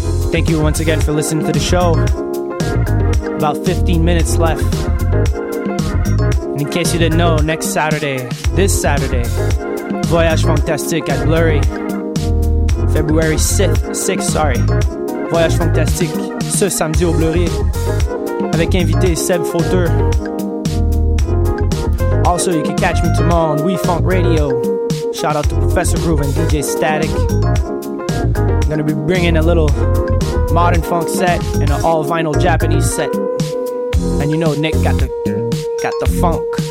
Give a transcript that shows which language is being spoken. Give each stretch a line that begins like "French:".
English: Thank you once again for listening to the show. About 15 minutes left. And in case you didn't know, this Saturday, Voyage Fantastique at Blurry. February 6th,
French: Voyage Fantastique, ce samedi au Blurry, avec invité Seb Fauteur.
English: Also, you can catch me tomorrow on We Funk Radio. Shout out to Professor Groove and DJ Static. I'm gonna be bringing a little modern funk set and an all vinyl Japanese set. And you know Nick got the funk.